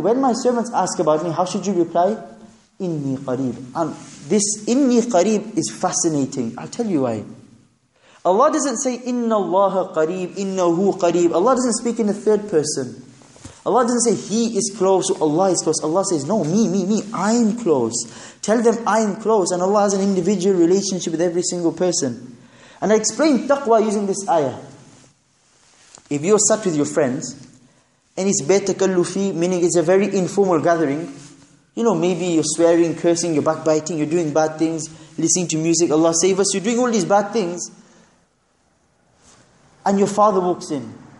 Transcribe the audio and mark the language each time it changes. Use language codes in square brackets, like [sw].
[en] When my servants ask about me, how should you reply? [ar] إِنِّي قَرِيبٌ. [en] And this [ar] إِنِّي قَرِيبٌ [en] is fascinating. I'll tell you why. Allah doesn't say [ar] إِنَّ اللَّهَ قَرِيبٌ, إِنَّهُ قَرِيبٌ. [en] Allah doesn't speak in the third person. Allah doesn't say He is close or Allah is close. Allah says, no, me, I am close. Tell them I am close. And Allah has an individual relationship with every single person. And I explained taqwa using this ayah. If you're sat with your friends, and it's bayt takallufi, meaning it's a very informal gathering, you know, maybe you're swearing, cursing, you're backbiting, you're doing bad things, listening to music, Allah save us, you're doing all these bad things, and your father walks in.